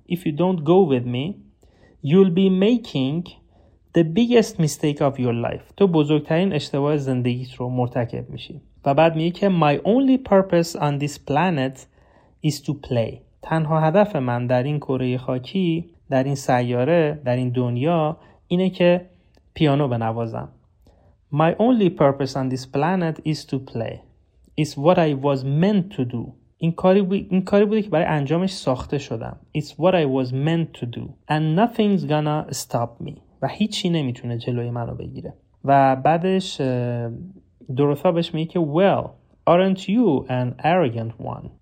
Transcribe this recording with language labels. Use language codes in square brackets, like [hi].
[en] If you don't go with me you'll be making the biggest mistake of your life، [fa] تو بزرگترین اشتباه زندگیت رو مرتکب میشی. و بعد میگه که [en] My only purpose on this planet is to play، [fa] تنها هدف من در این کره خاکی، در این سیاره، در این دنیا اینه که پیانو بنوازم. [en] My only purpose on this planet is to play. It's what I was meant to do. [fa] این کاری بوده که برای انجامش ساخته شدم. [en] It's what I was meant to do. And nothing's gonna stop me. [fa] و هیچی نمیتونه جلوی منو بگیره. و بعدش دروسا بهش میگه که [en] Well, aren't you an arrogant one?